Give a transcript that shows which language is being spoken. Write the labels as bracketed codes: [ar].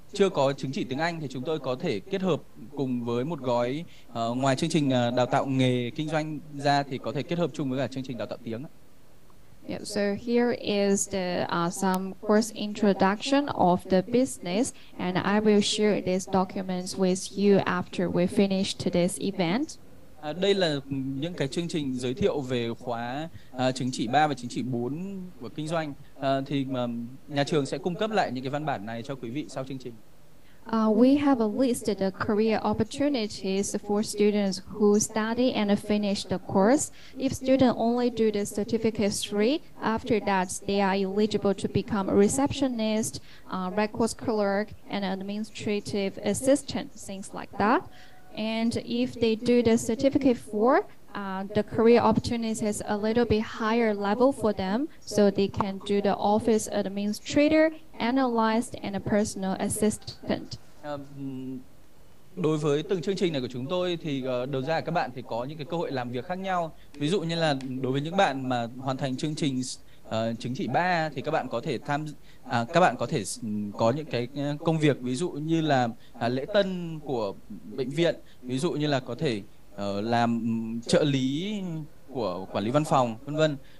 [vi] chưa có chứng chỉ tiếng Anh thì chúng tôi có thể kết hợp cùng với một gói ngoài chương trình đào tạo nghề kinh doanh ra thì có thể kết hợp chung với cả chương trình đào tạo tiếng. [en] Yeah, so here is the some course introduction of the business, and I will share these documents with you after we finish today's event. [vi] Đây là những cái chương trình giới thiệu về khóa chứng chỉ 3 và chứng chỉ 4 của kinh doanh. Thì nhà trường sẽ cung cấp lại những cái văn bản này cho quý vị sau chương trình. [en] We have a list of the career opportunities for students who study and finish the course. If students only do the certificate 3, after that they are eligible to become a receptionist, records clerk, and administrative assistant, things like that. And if they do the certificate 4, the career opportunities is a little bit higher level for them, so they can do the office administrator, analyst, and a personal assistant. [vi] Đối với từng chương trình này của chúng tôi thì đầu ra các bạn thì có những cái cơ hội làm việc khác nhau. Ví dụ như là đối với những bạn mà hoàn thành chương trình chứng chỉ 3 thì các bạn có thể có những cái công việc ví dụ như là lễ tân của bệnh viện, ví dụ như là có thể làm trợ lý của quản lý văn phòng, vân vân.